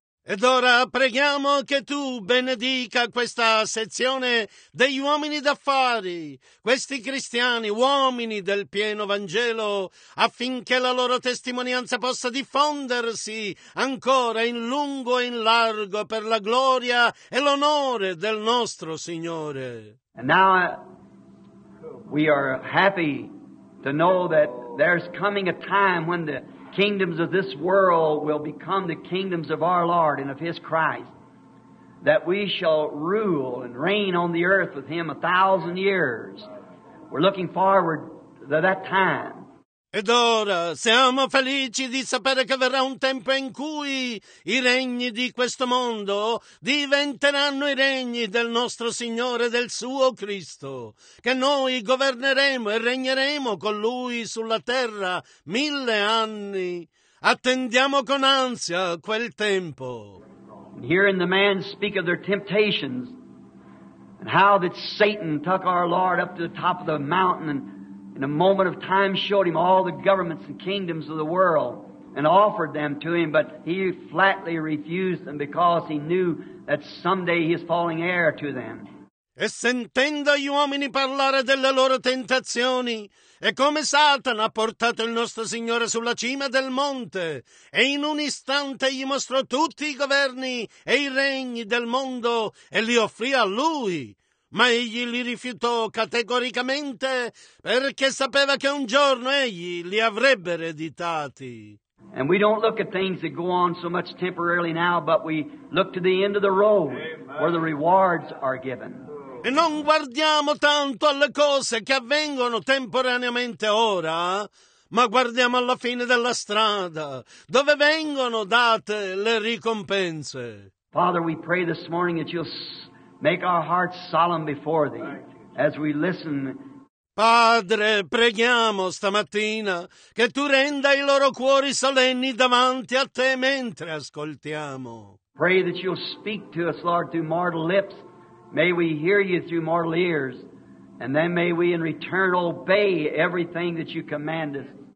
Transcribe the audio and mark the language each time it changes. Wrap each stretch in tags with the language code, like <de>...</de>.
<it>Ed ora preghiamo che tu benedica questa sezione degli uomini d'affari, questi cristiani, uomini del pieno Vangelo, affinché la loro testimonianza possa diffondersi ancora in lungo e in largo per la gloria e l'onore del nostro Signore.</it> <en>And now we are happy to know that there's coming a time when the kingdoms of this world will become the kingdoms of our Lord and of His Christ, that we shall rule and reign on the earth with Him 1,000 years. We're looking forward to that time.</en> <it>Ed ora siamo felici di sapere che verrà un tempo in cui i regni di questo mondo diventeranno i regni del nostro Signore, del suo Cristo, che noi governeremo e regneremo con Lui sulla terra 1,000 anni. Attendiamo con ansia quel tempo.</it> <en>Hearing the man speak of their temptations and how that Satan took our Lord up to the top of the mountain and in a moment of time showed him all the governments and kingdoms of the world and offered them to him, but he flatly refused them because he knew that someday he is falling heir to them.</en> <it>E sentendo gli uomini parlare delle loro tentazioni, e come Satana ha portato il nostro Signore sulla cima del monte, e in un istante gli mostrò tutti i governi e i regni del mondo e li offrì a lui. Ma egli li rifiutò categoricamente perché sapeva che un giorno egli li avrebbe ereditati.</it> <en>And we don't look at things that go on so much temporarily now, but we look to the end of the road. Amen. Where the rewards are given.</en> <it>E non guardiamo tanto alle cose che avvengono temporaneamente ora, ma guardiamo alla fine della strada, dove vengono date le ricompense.</it> <en>Father, we pray this morning that you'll make our hearts solemn before Thee as we listen.</en> <it>Padre, preghiamo stamattina che Tu renda i loro cuori solenni davanti a Te mentre ascoltiamo.</it> <en>Pray that You'll speak to us, Lord, through mortal lips. May we hear You through mortal ears. And then may we in return obey everything that You command us.</en>